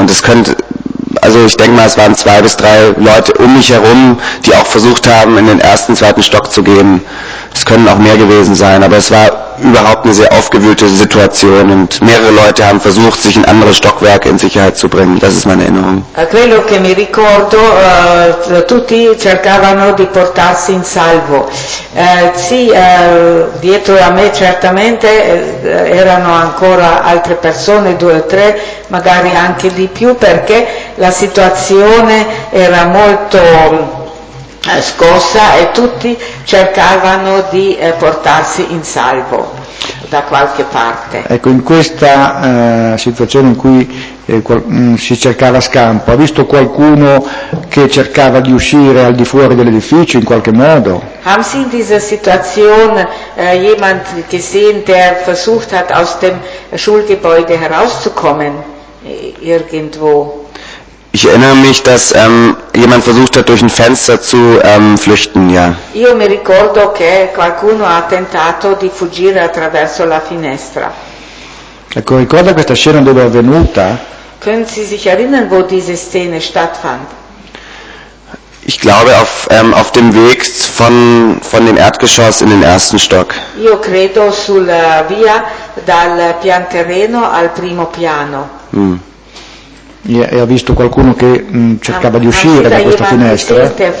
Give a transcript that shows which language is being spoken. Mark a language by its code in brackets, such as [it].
[de] Und es könnte, also ich denke mal, es waren 2 bis 3 Leute um mich herum, die auch versucht haben, in den ersten, zweiten Stock zu gehen. Es können auch mehr gewesen sein, aber es war überhaupt eine sehr aufgewühlte Situation und mehrere Leute haben versucht, sich in andere Stockwerke in Sicherheit zu bringen. Das ist meine Erinnerung. [it] Quello che mi ricordo, tutti cercavano di portarsi in salvo. Sì, dietro a me certamente erano ancora altre persone, due o tre, magari anche di più, perché la situazione era molto scossa e tutti cercavano di portarsi in salvo da qualche parte. Ecco, in questa situazione in cui si cercava scampo, ha visto qualcuno che cercava di uscire al di fuori dell'edificio in qualche modo? [de] Haben Sie in dieser Situation jemand gesehen, der versucht hat, aus dem Schulgebäude herauszukommen, irgendwo? Ich erinnere mich, dass jemand versucht hat, durch ein Fenster zu flüchten, ja. [it] Io mi ricordo che qualcuno ha tentato di fuggire attraverso la finestra. Ecco, ricorda questa scena dove è avvenuta? [de] Können Sie sich erinnern, wo diese Szene stattfand? Ich glaube, auf dem Weg von dem Erdgeschoss in den ersten Stock. [it] Io credo sulla via dal pian terreno al primo piano. Hm. E ha visto qualcuno che cercava di uscire da questa finestra?